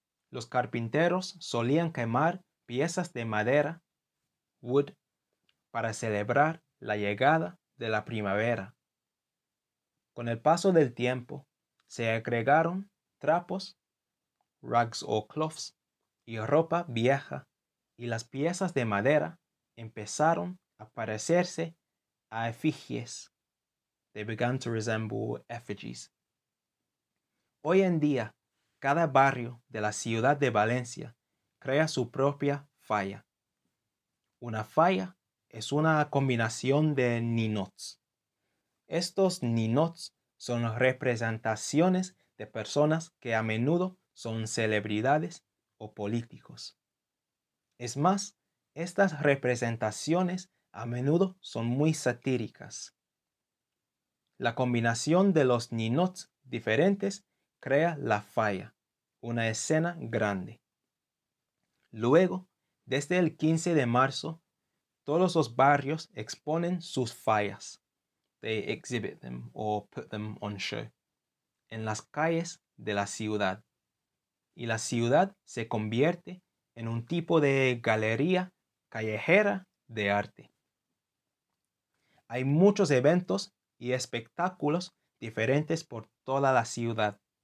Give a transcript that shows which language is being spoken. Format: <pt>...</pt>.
<es>Los carpinteros solían quemar piezas de madera, wood, para celebrar la llegada de la primavera. Con el paso del tiempo, se agregaron trapos,</es> <en>rugs or cloths,</en> <es>y ropa vieja, y las piezas de madera empezaron a parecerse a efigies.</es> <en>They began to resemble effigies.</en> <es>Hoy en día, cada barrio de la ciudad de Valencia crea su propia falla. Una falla es una combinación de ninots. Estos ninots son representaciones de personas que a menudo son celebridades o políticos. Es más, estas representaciones a menudo son muy satíricas. La combinación de los ninots diferentes crea la falla, una escena grande. Luego, desde el 15 de marzo, todos los barrios exponen sus fallas.</es> <en>They exhibit them or put them on show.</en> <es>En las calles de la ciudad. Y la ciudad se convierte en un tipo de galería callejera de arte. Hay muchos eventos y espectáculos diferentes por toda la ciudad.</es>